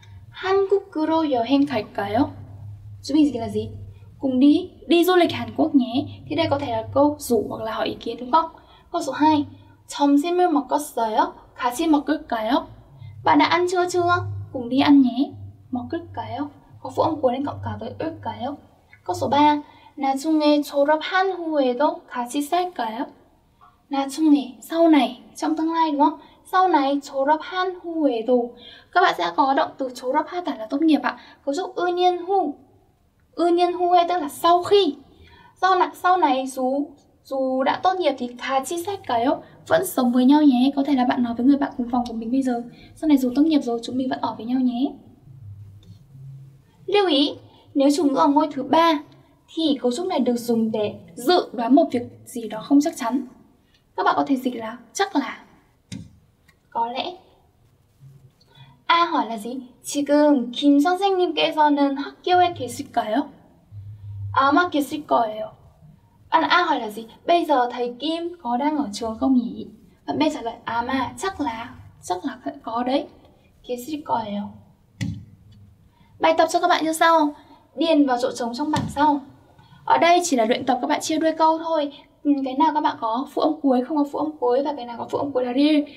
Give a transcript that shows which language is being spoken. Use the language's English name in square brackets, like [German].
[Korean] 한국으로 여행 갈까요? [Vietnamese] Chúng mình dịch là gì? Cùng đi, đi du lịch Hàn Quốc nhé. Thì đây có thể là câu rủ hoặc là hỏi ý kiến đúng không? Câu số 2, [Korean] 점심을 먹었어요? 같이 먹을까요? [Vietnamese] Bạn đã ăn trưa chưa? Cùng đi ăn nhé. 먹을까요? Có phụ âm cuối nên cộng cả với 을까요? Câu số 3, [Korean] 나중에 졸업한 후에도 같이 살까요? [Vietnamese] 나중에, sau này, trong tương lai đúng không? Sau này, [Korean] 졸업한 후에도. [Vietnamese] Các bạn sẽ có động từ 졸업한 tả là tốt nghiệp ạ. Cấu trúc 은연 후. 은연 후에 tức là sau khi. Do là sau này, dù đã tốt nghiệp thì [Korean] 같이 살까요? [Vietnamese] Vẫn sống với nhau nhé. Có thể là bạn nói với người bạn cùng phòng của mình bây giờ. Sau này dù tốt nghiệp rồi, chúng mình vẫn ở với nhau nhé. Lưu ý, nếu chủ ngữ ở ngôi thứ 3, thì cấu trúc này được dùng để dự đoán một việc gì đó không chắc chắn. Các bạn có thể dịch là chắc là, có lẽ. A hỏi là gì? [Korean] 지금 김 선생님께서는 학교에 계실까요? 아마 계실 거예요. [Vietnamese] Bạn A hỏi là gì? Bây giờ thầy Kim có đang ở trường không nhỉ? Bạn B trả lời, à mà, chắc là có đấy. [Korean] 계실 거예요. [Vietnamese] Bài tập cho các bạn như sau. Điền vào chỗ trống trong bảng sau. Ở đây chỉ là luyện tập các bạn chia đuôi câu thôi. Cái nào các bạn có phụ âm cuối, không có phụ âm cuối và cái nào có phụ âm cuối là riêng.